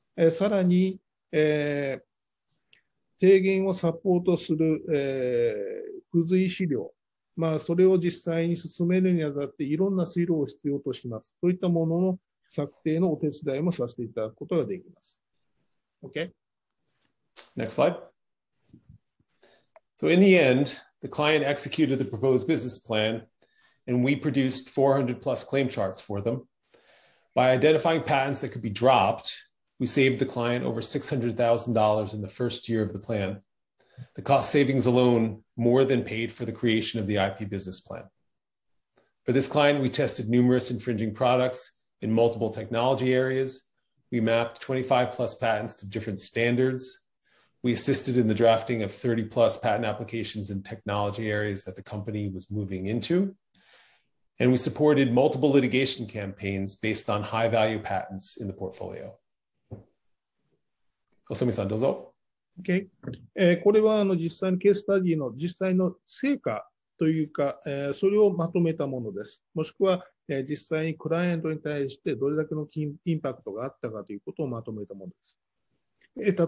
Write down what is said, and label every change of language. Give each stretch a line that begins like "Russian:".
Japanese: さらに、提言をサポートする、付随資料。まあ、それを実際に進めるにあたって、いろんな推論を必要とします。そういったものの策定のお手伝いもさせていただくことができます。
English: Okay? Next slide. So in the end, the client executed the proposed business plan, and we produced 400 plus claim charts for them. By identifying patents that could be dropped, we saved the client over $600,000 in the first year of the plan. The cost savings alone more than paid for the creation of the IP business plan. For this client, we tested numerous infringing products in multiple technology areas. We mapped 25 plus patents to different standards. We assisted in the drafting of 30 plus patent applications in technology areas that the company was moving into. And we supported multiple litigation campaigns based on high value patents in the portfolio.
Japanese: Kosumi-san, dozo.
English: Okay.
Japanese: これは実際のケーススタディの実際の成果というか、それをまとめたものです。もしくは、実際にクライアントに対してどれだけのインパクトがあったかということをまとめたものです。